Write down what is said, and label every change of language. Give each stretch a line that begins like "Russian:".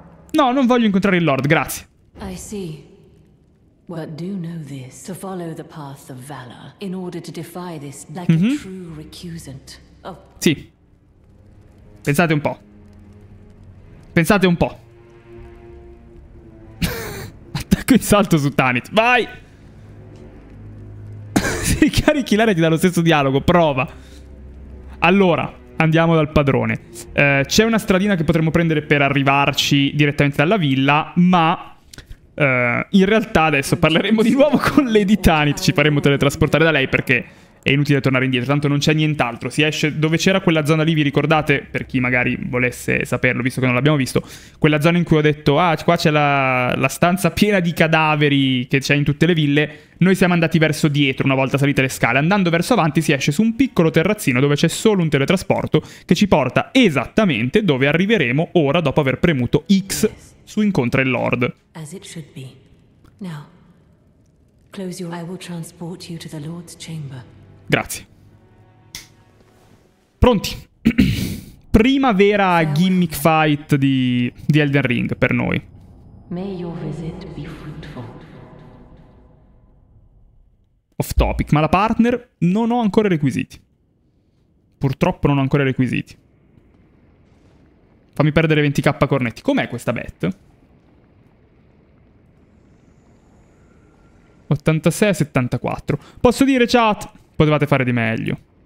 Italian: No, non voglio incontrare il Lord, grazie.
English: I see. But do know this. To follow the path of valor in order to defy this like a true recusant.
Italian: Oh. Sì. Pensate un po'. Pensate un po'. Attacco in salto su Tanith. Vai! Ricarichi l'aria e ti dà lo stesso dialogo. Prova. Allora, andiamo dal padrone. C'è una stradina che potremmo prendere per arrivarci direttamente dalla villa, ma in realtà adesso parleremo di nuovo con Lady Tanith. Ci faremo teletrasportare da lei perché è inutile tornare indietro. Tanto non c'è nient'altro. Si esce dove c'era quella zona lì, vi ricordate? Per chi magari volesse saperlo, visto che non l'abbiamo visto. Quella zona in cui ho detto, ah, qua c'è la stanza piena di cadaveri che c'è in tutte le ville. Noi siamo andati verso dietro una volta salite le scale. Andando verso avanti si esce su un piccolo terrazzino dove c'è solo un teletrasporto che ci porta esattamente dove arriveremo ora dopo aver premuto X su incontra il Lord.
English: As it should be. Now, close your... I will transport you to the Lord's chamber.
Italian: Grazie. Pronti. Prima vera gimmick fight di Elden Ring per noi.
English: May your visit be fruitful.
Italian: Off topic, ma la partner non ho ancora requisiti. Purtroppo non ho ancora requisiti. Fammi perdere 20k cornetti. Com'è questa bet? 86-74. Posso dire chat? Potevate fare di meglio.